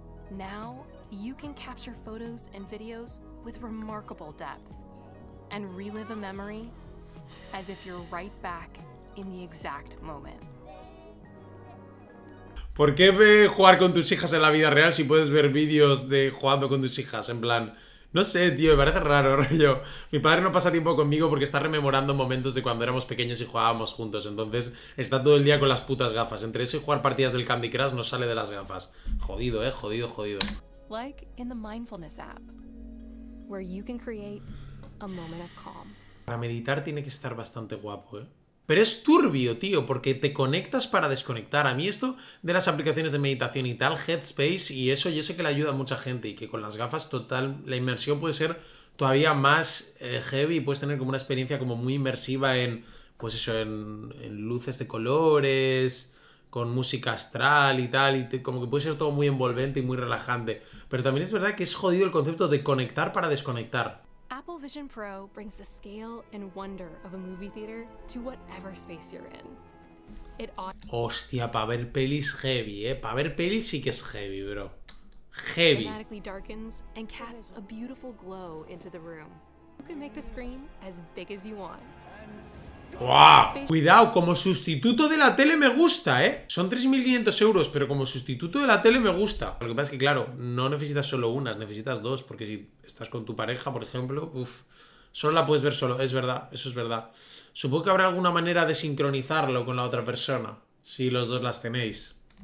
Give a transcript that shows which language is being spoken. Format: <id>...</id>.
<en>Now you can capture photos and videos with remarkable depth and relive a memory as if you're right back in the exact moment.</en> <es>¿Por qué jugar con tus hijas en la vida real si puedes ver vídeos de jugando con tus hijas? En plan, no sé, tío, me parece raro, rollo. Mi padre no pasa tiempo conmigo porque está rememorando momentos de cuando éramos pequeños y jugábamos juntos. Entonces, está todo el día con las putas gafas. Entre eso y jugar partidas del Candy Crush no sale de las gafas. Jodido, jodido, jodido.</es> <en>Like in the mindfulness app, where you can create a moment of calm.</en> <es>Para meditar tiene que estar bastante guapo, ¿eh? Pero es turbio, tío, porque te conectas para desconectar. A mí esto de las aplicaciones de meditación y tal, Headspace, y eso yo sé que le ayuda a mucha gente y que con las gafas total la inmersión puede ser todavía más heavy y puedes tener como una experiencia como muy inmersiva en, pues eso, en luces de colores, con música astral y tal, y como que puede ser todo muy envolvente y muy relajante. Pero también es verdad que es jodido el concepto de conectar para desconectar.</es> <en>Apple Vision Pro brings the scale and wonder of a movie theater to whatever space you're in.</en> <es>Hostia, para ver pelis heavy, ¿eh? Para ver pelis sí que es heavy, bro. Heavy.</es> <en>Automatically darkens and casts a beautiful glow into the room. You can make the screen as big as you want. ¡Wow!</en> <es>Cuidado, como sustituto de la tele me gusta, ¿eh? Son 3.500 euros, pero como sustituto de la tele me gusta. Lo que pasa es que, claro, no necesitas solo unas, necesitas dos, porque si estás con tu pareja, por ejemplo, uff, solo la puedes ver solo, es verdad, eso es verdad. Supongo que habrá alguna manera de sincronizarlo con la otra persona, si los dos las tenéis.</es>